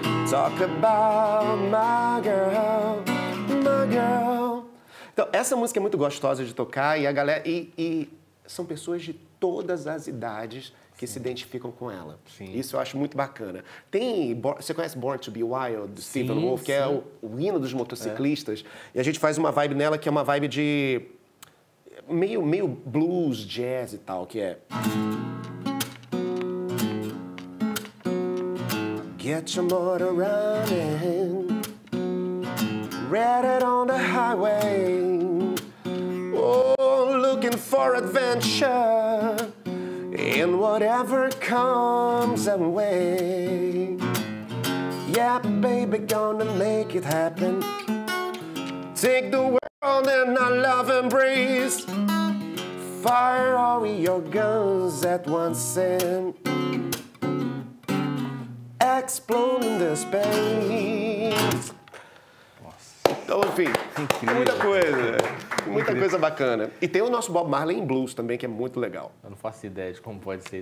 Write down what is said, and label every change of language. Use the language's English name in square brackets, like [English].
[English] Talk about my girl, my girl. [Portuguese] Então, essa música é muito gostosa de tocar e a galera... E são pessoas de todas as idades que, sim, se identificam com ela. Sim. Isso eu acho muito bacana. Você conhece Born to be Wild, do Stephen Wolf, que, sim, é o hino dos motociclistas? E a gente faz uma vibe nela que é uma vibe de... Meio blues, jazz e tal, que é... [English] Get your motor running, read it on the highway. Oh, looking for adventure in whatever comes our way. Yeah, baby, gonna make it happen. Take the world in our love embrace. Fire all your guns at once and explode in the space. [Portuguese] Então, enfim, incrível. muita coisa bacana. E tem o nosso Bob Marley em blues também, que é muito legal. Eu não faço ideia de como pode ser.